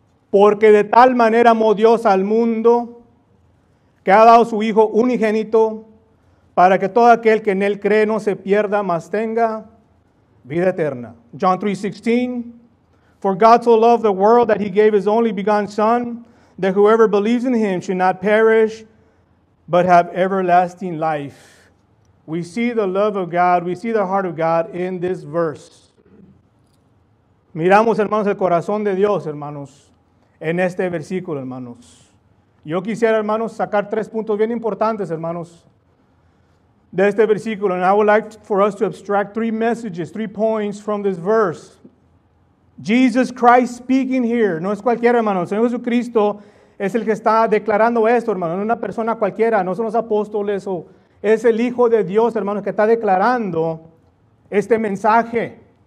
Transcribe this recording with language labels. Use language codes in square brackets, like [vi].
[es] Porque de tal manera amó Dios al mundo, que ha dado su Hijo unigénito, para que todo aquel que en él cree no se pierda, mas tenga vida eterna. [en] John 3:16, for God so loved the world that he gave his only begotten Son, that whoever believes in him should not perish, but have everlasting life. We see the love of God, we see the heart of God in this verse. [es] Miramos, hermanos, el corazón de Dios, hermanos, en este versículo, hermanos. Yo quisiera, hermanos, sacar tres puntos bien importantes, hermanos, de este versículo. [en] And I would like for us to abstract three messages, three points from this verse. Jesus Christ speaking here. [es] No es cualquiera, hermano. El Señor Jesucristo es el que está declarando esto, hermano. No es una persona cualquiera, no son los apóstoles o... Es el Hijo de Dios, hermanos, que está declarando este mensaje.